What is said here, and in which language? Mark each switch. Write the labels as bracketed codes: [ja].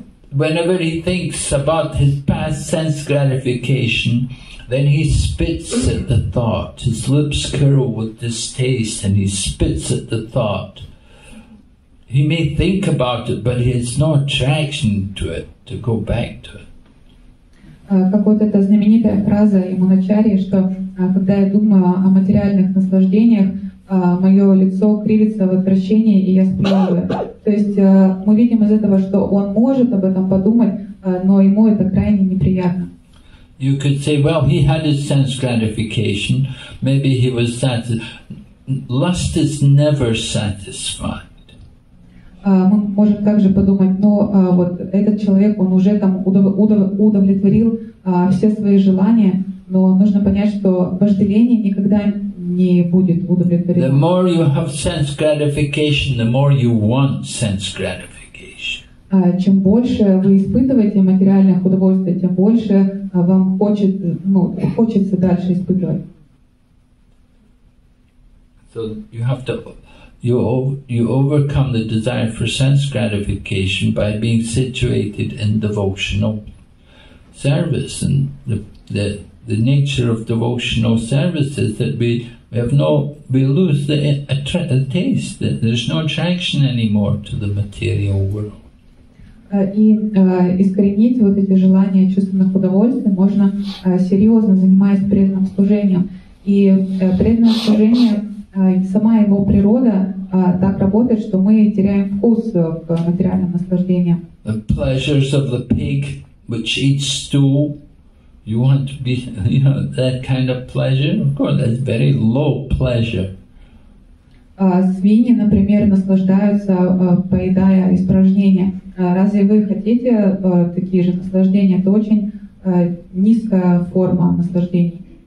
[en] Whenever he thinks about his past sense gratification, then he spits at the thought. His lips curl with distaste and he spits at the thought. He may think about it, but he has no attraction to it, to go back to it. [ru] Как вот эта знаменитая фраза Иманачарьи, что когда я думаю о материальных наслаждениях, мое лицо кривится в отвращении, и я сплю. То есть мы видим из этого, что он может об этом подумать, но ему это крайне неприятно. [en] You could say, well, he had his sense gratification, maybe he was satisfied. Lust is never satisfied. [ru] Мы можем также подумать, но вот этот человек, он уже там удовлетворил все свои желания, но нужно понять, что вожделение никогда не будет удовлетворено. [en] The more you have sense gratification, the more you want sense gratification. [ru] Чем больше вы испытываете материальных удовольствий, тем больше вам хочет, ну, хочется дальше испытывать. [en] So you have to you overcome the desire for sense gratification by being situated in devotional service, and the nature of devotional service is that we lose the taste, there's no attraction anymore to the material world. [ru] И искоренить вот эти желания чувственных удовольствий можно серьезно, занимаясь преданным служением. И преданное служение, сама его природа так работает, что мы теряем вкус к материальным наслаждениям. [en] The pleasures of the pig, which eats stool, You want to be, you know, that kind of pleasure? Of course, that's very low pleasure. [ru] Свиньи, например, наслаждаются, поедая испражнения. Разве вы хотите такие же наслаждения? Это очень низкая форма наслаждений.